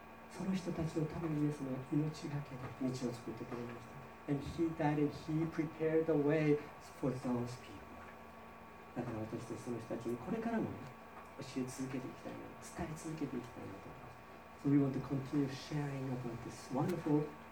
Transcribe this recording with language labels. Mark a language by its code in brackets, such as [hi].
[ja] その人たちのためにイエス様は命がけで道を作ってくれました。 [en] And he died and he prepared the way for those people. [ja] だから私たちその人たちにこれからも、ね、教え続けていきたいな、伝え続けていきたいなと思います。 [en] So we want to continue sharing about this wonderful